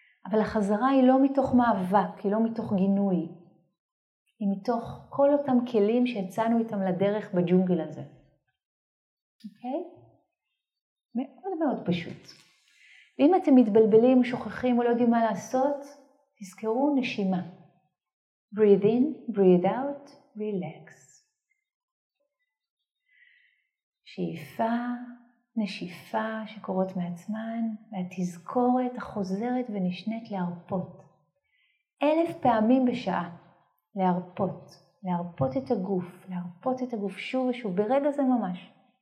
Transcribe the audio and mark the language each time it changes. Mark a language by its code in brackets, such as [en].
[he] אבל החזרה היא לא מתוך מאבק, היא לא מתוך גינוי. היא מתוך כל אותם כלים שיצאנו איתם לדרך בג'ונגל הזה. אוקיי? מאוד מאוד פשוט. ואם אתם מתבלבלים, שוכחים או לא יודעים מה לעשות, תזכרו נשימה. [en] Breathe in, breathe out, relax. [he] שאיפה, נשיפה שקורות מעצמן, והתזכורת החוזרת ונשנית להרפות. 1,000 פעמים בשעה להרפות. להרפות את הגוף, להרפות את הגוף שוב ושוב, ברגע זה ממש.